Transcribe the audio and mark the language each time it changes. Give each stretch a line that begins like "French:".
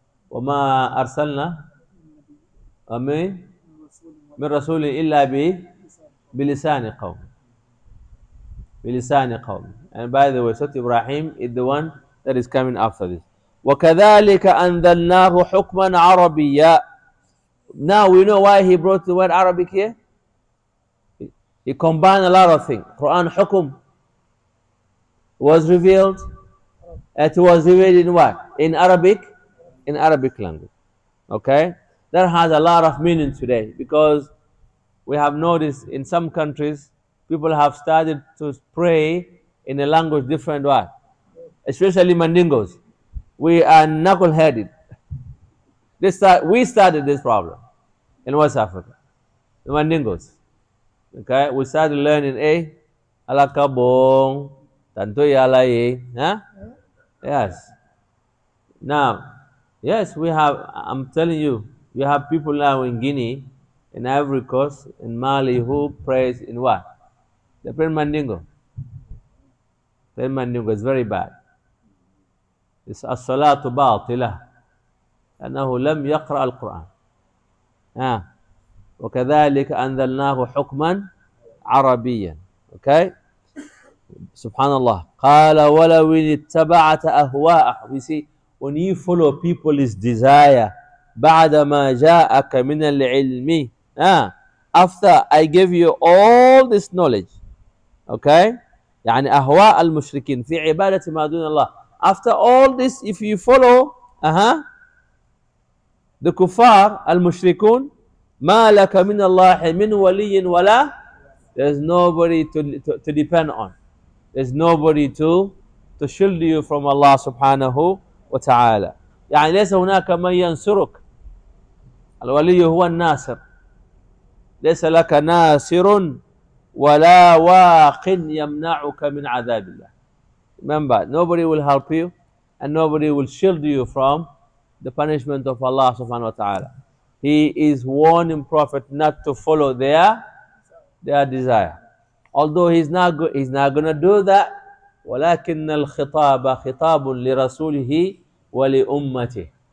Arabic: وما أرسلنا من رسول إلا بلسان قوم. بلسان قوم.
English: And by the way, Surah Ibrahim is the one that is coming after this.
Arabic: وكذلك أنزلناه حكما عربيا.
English: Now we know why he brought the word Arabic here. He combined a lot of things. Quran حكم was revealed. It was revealed in what? In Arabic. In Arabic language. Okay? That has a lot of meaning today because we have noticed in some countries people have started to pray in a language different way. Especially Mandingos. We are knuckle-headed. We started this problem in West Africa. The Mandingos. Okay? We started learning Alakabong, Tanto Yalaye. Yes. Now, yes, we have, I'm telling you, we have people now in Guinea, in Ivory Coast, in Mali, who prays in what? The Pen Mandingo. Pen Mandingo is very bad.
Arabic: الصلاة باطلة لأنه لم يقرأ القرآن. وكذلك أنزلناه حكما عربيا. أوكي سبحان الله. قال ولو اتبعت أهواءهم.
English: You see, when you follow people's desire
Arabic: بعدما جاءك من العلم.
English: After I give you all this knowledge. Okay.
Arabic: يعني أهواء المشركين في عبادة ما دون الله.
English: After all this, if you follow the kuffar,
Arabic: المشركون, ما لك من الله من ولي ولا.
English: There's nobody to depend on. There's nobody to shield you from Allah سبحانه وتعالى.
Arabic: يعني ليس هناك من ينصرك. الولي هو الناصر. ليس لك ناصر ولا واق يمنعك من عذاب الله.
English: Remember, nobody will help you and nobody will shield you from the punishment of Allah subhanahu wa ta'ala. He is warning Prophet not to follow their desire. Although he's not going to do that,
Arabic: ولكن الخطاب خطاب لرسوله ولأمته.